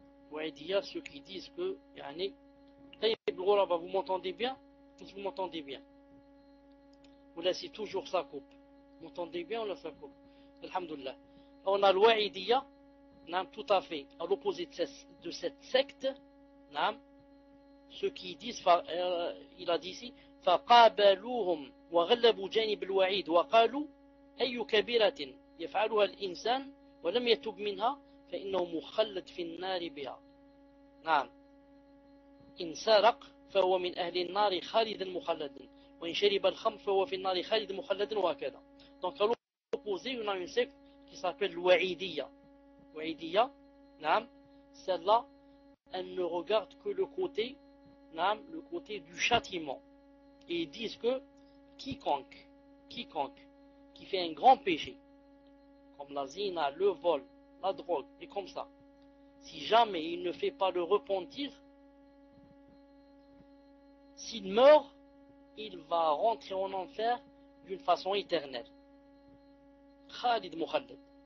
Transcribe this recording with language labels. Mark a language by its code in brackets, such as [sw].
[fr] L'Wa'idiyya, ceux qui disent que, yani, là-bas, vous m'entendez bien? Vous m'entendez bien? Vous laissez toujours sa coupe. Vous m'entendez bien ou là, sa coupe? Alhamdoulilah. On a l'Wa'idiyya, tout à fait à l'opposé de cette secte. Non. Ceux qui disent, il a dit ici, [ar] فقابلوهم وغلبوا جانب الوعيد وقالوا أي كبيرة يفعلها الإنسان ولم يتب منها فإنه مخلد في النار بها. نعم. إن سرق فهو من أهل النار خالدا مخلدا وإن شرب الخمر فهو في النار خالدا مخلدا وهكذا. [fr] Donc à l'opposé, on a une secte qui s'appelle Wa'idiyya. Wa'idiyya, نعم. Celle-là, elles ne regardent que le côté, le côté du châtiment. Et ils disent que quiconque qui fait un grand péché, comme la zina, le vol, la drogue, et comme ça, si jamais il ne fait pas le repentir, s'il meurt, il va rentrer en enfer d'une façon éternelle. Khalid Mukhaled.